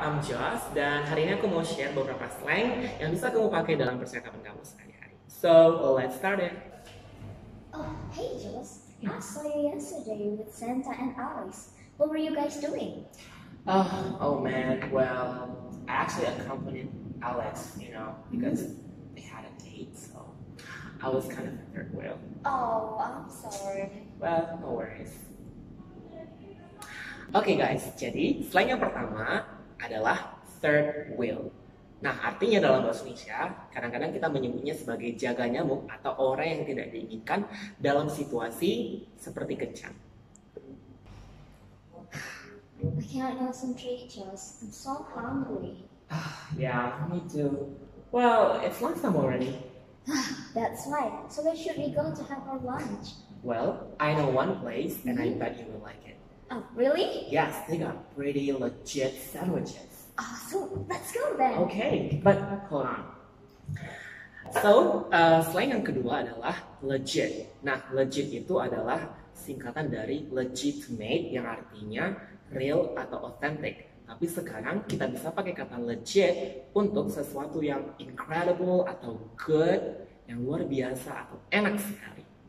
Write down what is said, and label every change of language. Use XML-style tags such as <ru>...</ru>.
<en>I'm Josh</en> <id>dan hari ini aku mau share beberapa slang yang bisa kamu pakai dalam percakapan kamu sehari-hari.</id> <en>So, let's start it. Oh, hey Josh. I saw you yesterday with Santa and Alice. What were you guys doing? Well, I actually accompanied Alex, you know, because they had a date, so I was kind of a third wheel. Oh, I'm sorry. Well, no worries.</en> <id>Okay guys, jadi slang yang pertama adalah third wheel. Nah, artinya dalam bahasa Indonesia, kadang-kadang kita menyebutnya sebagai jaga nyamuk atau orang yang tidak diinginkan dalam situasi seperti kencang.</id> <en>I can't concentrate, Josh. I'm so hungry. Yeah, me too. Well, it's lunch time already. That's right. So where should we go to have our lunch? Well, I know one place and I bet you will like it. Oh, really? Yes, they got pretty legit sandwiches. Awesome, let's go then. Okay, but hold on.</en> <id>So, slang yang kedua adalah legit. Nah, legit itu adalah singkatan dari legitimate yang artinya real atau authentic. Tapi sekarang kita bisa pakai kata legit untuk sesuatu yang incredible atau good, yang luar biasa atau enak sekali.</id>